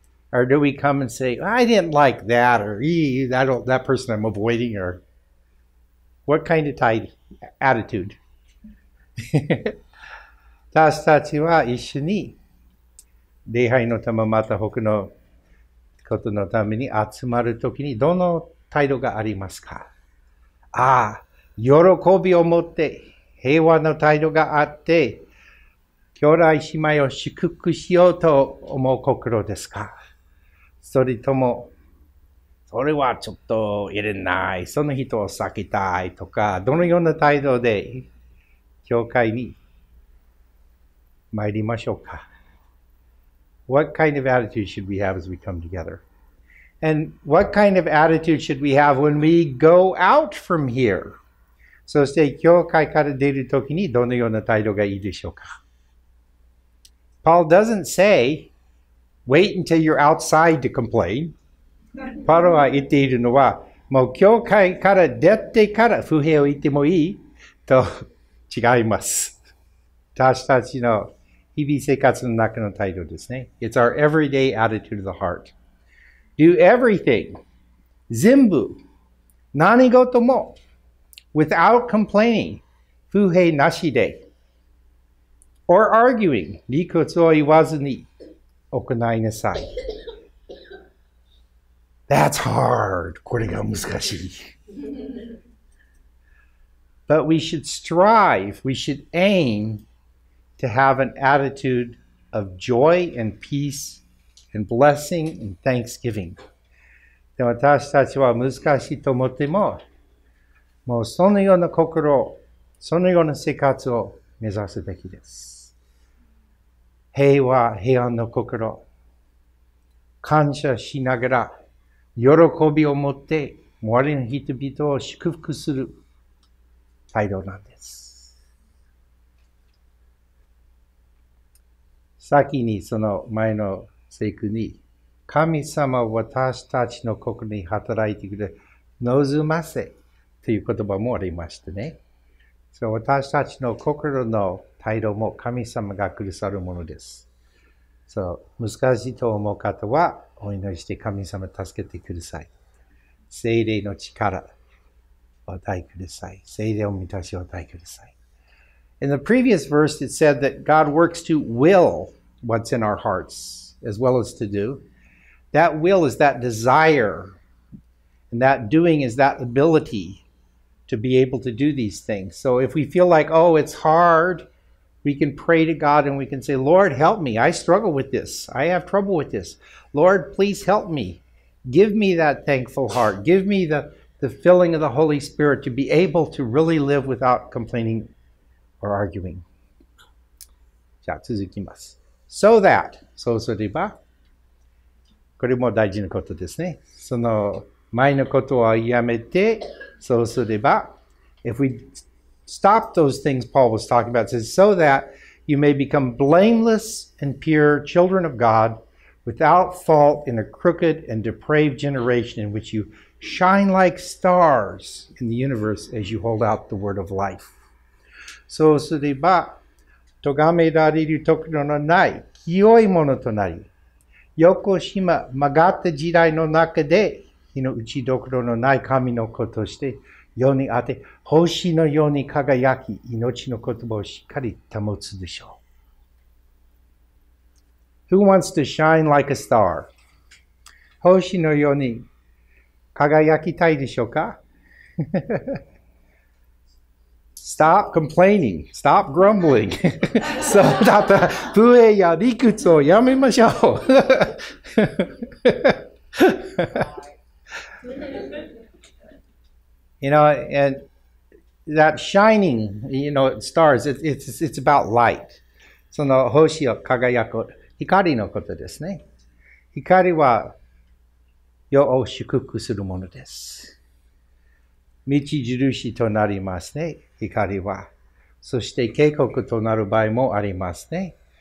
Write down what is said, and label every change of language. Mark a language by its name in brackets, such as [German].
[English] Or do we come and say, I didn't like that, or that person I'm avoiding, or what kind of attitude? [Japanese] 私たちは一緒に礼拝のため、また他のことのために集まるときに、どの態度がありますか？喜びを持って、平和の態度があって、兄弟姉妹を祝福しようと思う心ですか？それとも、それはちょっと入れない、その人を避けたいとか、どのような態度で教会に参りましょうか。 [English] What kind of attitude should we have as we come together? And what kind of attitude should we have when we go out from here? [Japanese] そして教会から出るときにどのような態度がいいでしょうか。 [English] Paul doesn't say,Wait until you're outside to complain. [Japanese] パロは言っているのは、もう教会から出てから不平を言ってもいいと違います。私たちの日々生活の中の態度ですね。 [English] It's our everyday attitude of the heart. Do everything, [Japanese] 全部、何事も、 [English] without complaining, [Japanese] 不平なしで、 [English] or arguing, [Japanese] 理屈を言わずに行いなさい。 [English] That's hard. [Japanese] これが難しい。 [English] But we should strive, we should aim to have an attitude of joy and peace and blessing and thanksgiving. [Japanese] でも私たちは難しいと思っても、もうそのような心、そのような生活を目指すべきです。平和、平安の心、感謝しながら、喜びを持って周りの人々を祝福する態度なんです。先にその前の聖句に、神様は私たちの心に働いてくれ、望ませという言葉もありましてね。そう、私たちの心の態度も神様がくださるものです。そう、難しいと思う方は、お祈りして神様助けてください。聖霊の力をお与えください。聖霊を満たしをお与えください。 [English] In the previous verse it said that God works to will what's in our hearts as well as to do. That will is that desire, and that doing is that ability to be able to do these things. So if we feel like, oh, it's hard, we can pray to God and we can say, Lord, help me. I struggle with this. I have trouble with this. Lord, please help me. Give me that thankful heart. Give me the filling of the Holy Spirit to be able to really live without complaining or arguing. [Japanese] じゃあ続きます。 [English] So that, [Japanese] そうすれば、これも大事なことですね。その前のことはやめて、そうすれば、 [English] if we stop those things Paul was talking about, says, so that you may become blameless and pure children of God, without fault in a crooked and depraved generation in which you shine like stars in the universe as you hold out the word of life. [Japanese] そうすれば、とがめられるところのない、清いものとなり、横島曲がった時代の中で、日の打ちどころのない神の子として、世にあて、星のように輝き、命の言葉をしっかり保つでしょう。 [English] Who wants to shine like a star? [Japanese] 星のように輝きたいでしょうか? [English] Stop complaining. Stop grumbling. [Japanese] そうだったら、不平や理屈をやめましょう。 [English] You know, and that shining, you know, stars, it's about light. [Japanese] その星を輝く光のことですね。光は世を祝福するものです。道印となりますね、光は。そして警告となる場合もありますね。